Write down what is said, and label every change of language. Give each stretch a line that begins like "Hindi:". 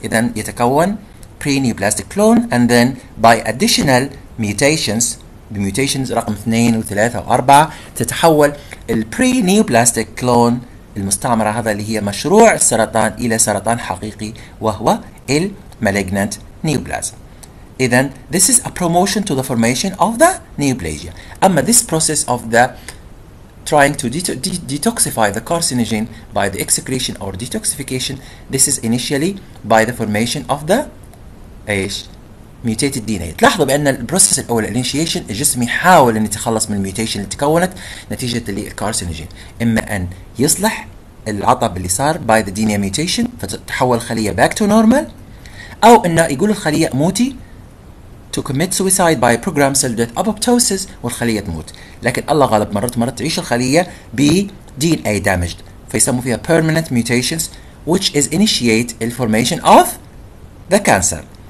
Arabic: إذن يتكون
English: pre-neoplastic clone and then by additional mutations
Arabic: بميوتيشنز رقم 2 و 3 و 4 تتحول البري نيوبلاستيك كلون المستعمرة هذا اللي هي مشروع السرطان إلى سرطان حقيقي وهو المالجنانت نيوبلازم.
English: إذا this is a promotion to the formation of the neoplasia. أما this process of the trying to detoxify the carcinogen by the excretion or detoxification, this is initially by the formation of the إيش mutated DNA.
Arabic: تلاحظوا بأن البروسيس الأول الانيشيشن الجسم يحاول أن يتخلص من الميوتيشن اللي تكونت نتيجة للكارسينوجين، إما أن يصلح العطب اللي صار
English: by the DNA mutation
Arabic: فتتحول الخلية
English: back to normal،
Arabic: أو أنه يقول الخلية موتي
English: to commit suicide by programmed cell death apoptosis
Arabic: والخلية تموت، لكن الله غالب مرات تعيش الخلية ب DNA damaged فيسموا فيها
English: permanent mutations which is initiate the formation of the cancer.